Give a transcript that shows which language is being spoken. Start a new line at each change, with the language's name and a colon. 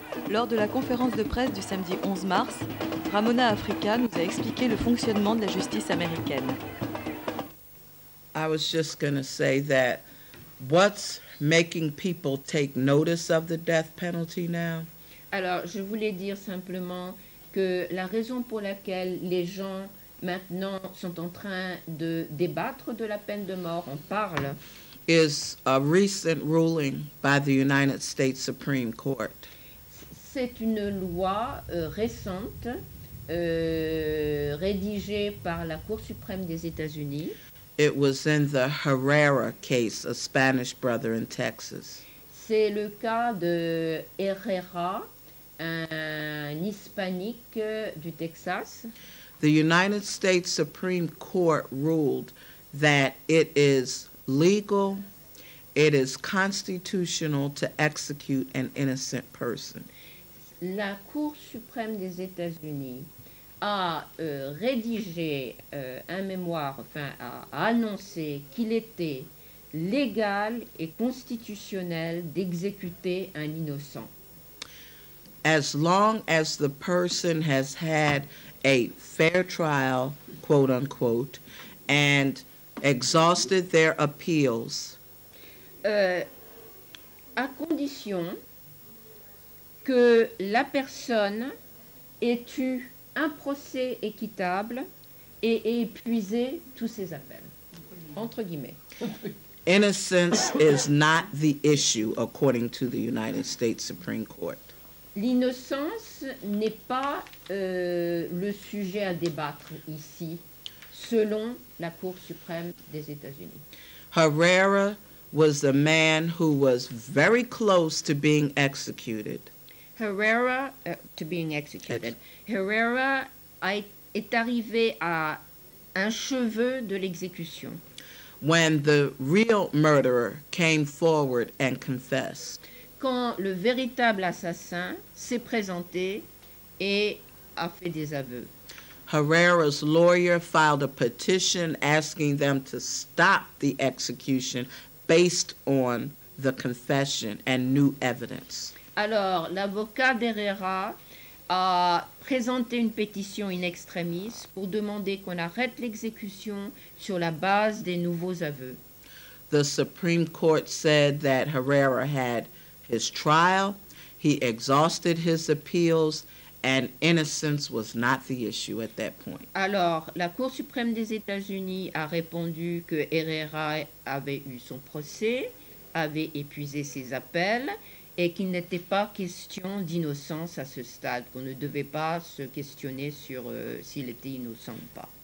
French: Lors de la conférence de presse du samedi 11 mars, Ramona Africa nous a expliqué le fonctionnement de la justice américaine.
English: I was just going to say that what's making people take notice of the death penalty now?
French: Alors, je voulais dire simplement que la raison pour laquelle les gens maintenant sont en train de débattre de la peine de mort, on parle,
English: is a recent ruling by the United States Supreme Court.
French: C'est une loi récente rédigée par la Cour suprême des États-Unis.
English: It was in the Herrera case, a Spanish brother in Texas.
French: C'est le cas de Herrera, un hispanique du Texas.
English: The United States Supreme Court ruled that it is legal, it is constitutional to execute an innocent person.
French: La Cour suprême des États-Unis a rédigé un mémoire, enfin a annoncé qu'il était légal et constitutionnel d'exécuter un innocent.
English: As long as the person has had a fair trial, quote unquote, and exhausted their appeals.
French: À condition que la personne ait eu un procès équitable et ait épuisé tous ses appels, entre guillemets.
English: Innocence is not the issue, according to the United States Supreme Court.
French: L'innocence n'est pas le sujet à débattre ici, selon la Cour suprême des États-Unis.
English: Herrera was the man who was very close to being executed.
French: Herrera est arrivé à un cheveu de l'exécution.
English: When the real murderer came forward and confessed.
French: Quand le véritable assassin s'est présenté et a fait des aveux.
English: Herrera's lawyer filed a petition asking them to stop the execution based on the confession and new evidence.
French: Alors, l'avocat d'Herrera a présenté une pétition in extremis pour demander qu'on arrête l'exécution sur la base des nouveaux aveux.
English: The Supreme Court said that Herrera had his trial, he exhausted his appeals, and innocence was not the issue at that point.
French: Alors, la Cour suprême des États-Unis a répondu que Herrera avait eu son procès, avait épuisé ses appels, et qu'il n'était pas question d'innocence à ce stade, qu'on ne devait pas se questionner sur s'il était innocent ou pas.